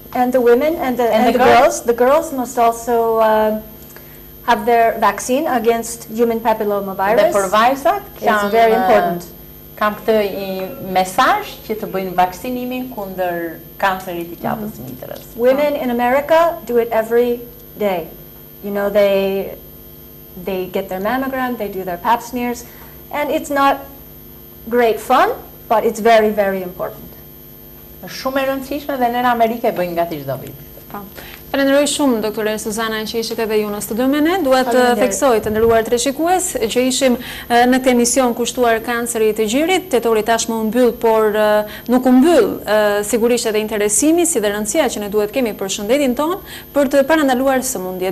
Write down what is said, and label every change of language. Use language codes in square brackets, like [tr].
[en] and the women and the girls must also have their vaccine against human papilloma virus. [sq] Dhe për vajzat, [en] it's very important. [sq] Kam këtë I mesazh që të bëjnë vaksinimin kundër kancerit të qafës mitrës. [en] Women in America do it every day. You know, they get their mammogram, they do their pap smears, and it's not great fun, but it's very very important. [sq] Është shumë e rëndësishme dhe në Amerikë e bëjnë gati çdo vit. Falenderoj shumë, doktore Suzana, që ishit edhe ju në studio me ne. Dua të theksoj të nderuar të shikues që ishim në këtë emision kushtuar kancerit të gjirit. Tetori tashmë u mbyll, por nuk u mbyll sigurisht edhe interesimi si dhe rëndësia që ne duhet kemi për shëndetin tonë për të parandaluar sëmundje.